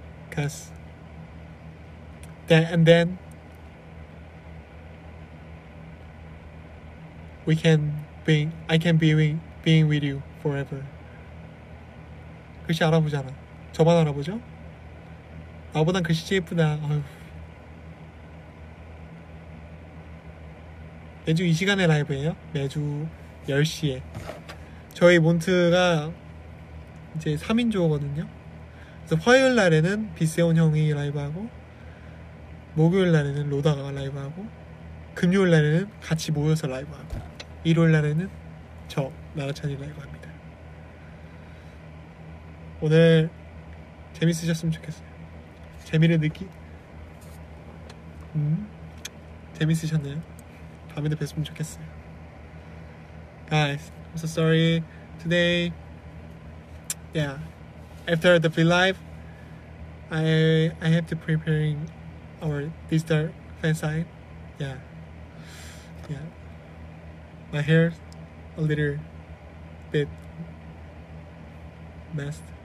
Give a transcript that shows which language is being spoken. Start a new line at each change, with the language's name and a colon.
English: Cuz then and then we can be I can be being with you forever.
Korean: 글씨 알아보잖아. 저만 알아보죠? 나보단 글씨 제일 예쁘다. 어휴. 매주 이 시간에 라이브예요. 매주 10시에. 저희 몬트가 이제 3인조거든요. 그래서 화요일 날에는 비세온 형이 라이브하고, 목요일 날에는 로다가 라이브하고, 금요일 날에는 같이 모여서 라이브하고, 일요일 날에는 저, 나라찬이 라이브합니다. 오늘 재밌으셨으면 좋겠어요. 재미를 느끼. 재밌으셨나요? 밤에도 뵀으면 좋겠어요.
English: Guys, I'm so sorry today. Yeah, after the free live, I have to preparing our digital fan sign. Yeah. My hair a little bit messed.